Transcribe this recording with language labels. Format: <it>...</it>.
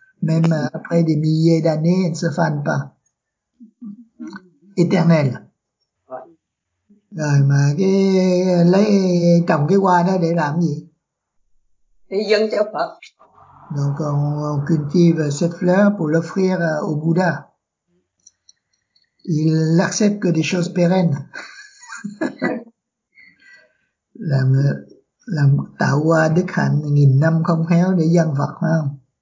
<fr>Même après des milliers d'années, elle ne se fane pas. Éternelle.</fr> <vi>Rồi mà lấy trồng cái hoa đó để làm gì? Để dâng cho Phật.</vi> <fr>Donc on cultive cette fleur pour l'offrir au Bouddha. Il n'accepte que des choses pérennes.</fr> <vi>Làm tạo hoa đức hạnh nghìn năm không héo để dâng Phật, phải không?</vi>